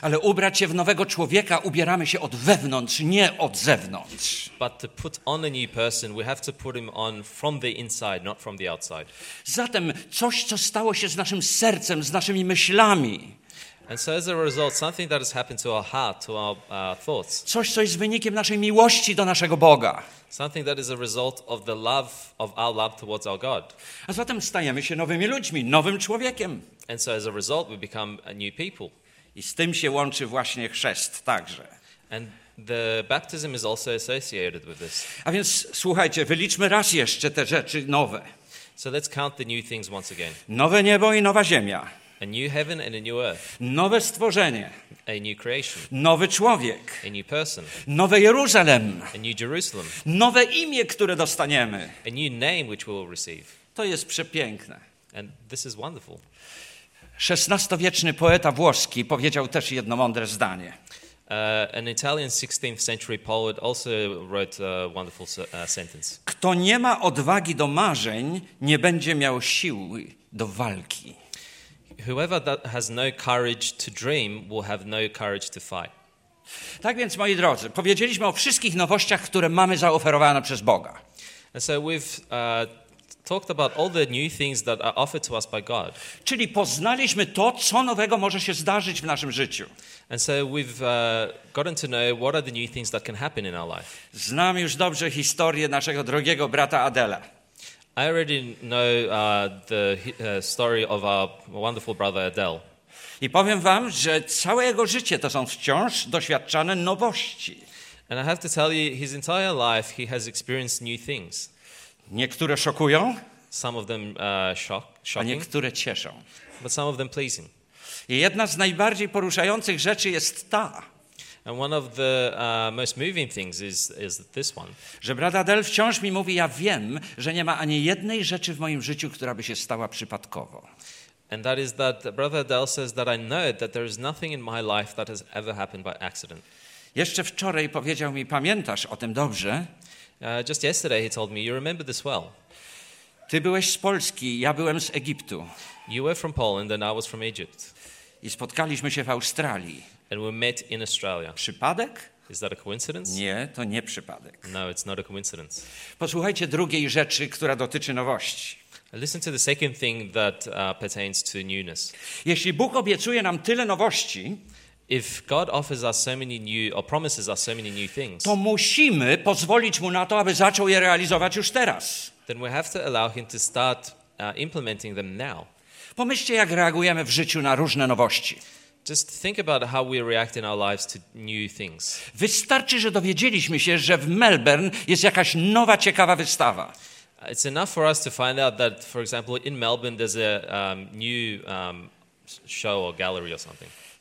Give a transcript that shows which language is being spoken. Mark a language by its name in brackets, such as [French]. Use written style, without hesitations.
[Polish] Ale ubrać się w nowego człowieka ubieramy się od wewnątrz, nie od zewnątrz. [English] But to put on a new person, we have to put him on from the inside, not from the outside. [Polish] Zatem coś, co stało się z naszym sercem, z naszymi myślami. [English] And so as a result, something that has happened to our heart, to our thoughts. [Polish] Coś, co jest wynikiem naszej miłości do naszego Boga. [English] Something that is a result of the love of our love towards our God. [Polish] A zatem stajemy się nowymi ludźmi, nowym człowiekiem. [English] And so as a result, we become a new people. [Polish] I z tym się łączy właśnie chrzest także. [English] And the baptism is also associated with this. [Polish] A więc słuchajcie, wyliczmy raz jeszcze te rzeczy nowe. [English] So let's count the new things once again. [Polish] Nowe niebo i nowa ziemia. [English] A new heaven and a new earth. [Polish] Nowe stworzenie. [English] A new creation. [Polish] Nowy człowiek. [English] A new person. [Polish] Nowe Jeruzalem. [English] A new Jerusalem. [Polish] Nowe imię, które dostaniemy. [English] A new name which we will receive. [Polish] To jest przepiękne. [English] And this is wonderful. [Polish] XVI-wieczny poeta włoski powiedział też jedno mądre zdanie. [English] An Italian 16th century poet also wrote a wonderful sentence. [Polish] Kto nie ma odwagi do marzeń, nie będzie miał siły do walki. [English] Whoever that has no courage to dream will have no courage to fight. [Polish] Tak więc, moi drodzy, powiedzieliśmy o wszystkich nowościach, które mamy zaoferowane przez Boga. [English] And so we've talked about all the new things that are offered to us by God. [Polish] Czyli poznaliśmy to, co nowego może się zdarzyć w naszym życiu. [English] And so we've gotten to know what are the new things that can happen in our life. [Polish] Znam już dobrze historię naszego drugiego brata Adela. [English] I already know the story of our wonderful brother Adel. [Polish] I powiem wam, że całe jego życie to są wciąż doświadczane nowości. [English] And I have to tell you, his entire life he has experienced new things. [Polish] Niektóre szokują. [English] Some of them shocking. [Polish] A niektóre cieszą. [English] But some of them pleasing. [Polish] I jedna z najbardziej poruszających rzeczy jest ta. [English] And one of the most moving things is this one. [Polish] Że brat Adel wciąż mi mówi, ja wiem, że nie ma ani jednej rzeczy w moim życiu, która by się stała przypadkowo. [English] And that is that brother Adel says that I know that there is nothing in my life that has ever happened by accident. [Polish] Jeszcze wczoraj powiedział mi, pamiętasz o tym dobrze? [English] Just yesterday he told me, you remember this well. [Polish] Ty byłeś z Polski, ja byłem z Egiptu. [English] You were from Poland and I was from Egypt. [Polish] I spotkaliśmy się w Australii. [English] And we met in Australia. [Polish] Przypadek? [English] Is that a coincidence? [Polish] Nie, to nie przypadek. [English] No, it's not a coincidence. [Polish] Posłuchajcie drugiej rzeczy, która dotyczy nowości. [English] Listen to the second thing that pertains to newness. [Polish] Jeśli Bóg obiecuje nam tyle nowości, [English] if God offers us so many new or promises us so many new things, [Polish] to musimy pozwolić mu na to, aby zaczął je realizować już teraz. [English] Then we have to allow him to start implementing them now. [Polish] Pomyślcie, jak reagujemy w życiu na różne nowości. [English] Just think about how we react in our lives to new things. [Polish] Wystarczy, że dowiedzieliśmy się, że w Melbourne jest jakaś nowa ciekawa wystawa. [English] It's enough for us to find out that, for example, in Melbourne there's a new show or gallery or something.